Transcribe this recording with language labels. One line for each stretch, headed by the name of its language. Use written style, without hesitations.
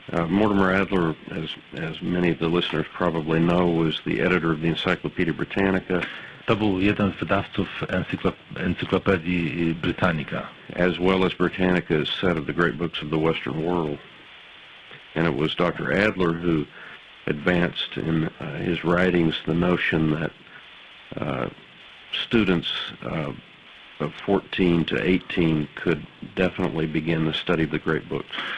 English: Mortimer Adler, as many of the listeners probably know, was the editor of the Encyclopedia Britannica.
Polish: To był jeden z wydawców Encyklopedii Britannica.
English: As well as Britannica's set of the great books of the Western world. And it was Dr. Adler who advanced in his writings the notion that students of 14 to 18 could definitely begin the study of the great books.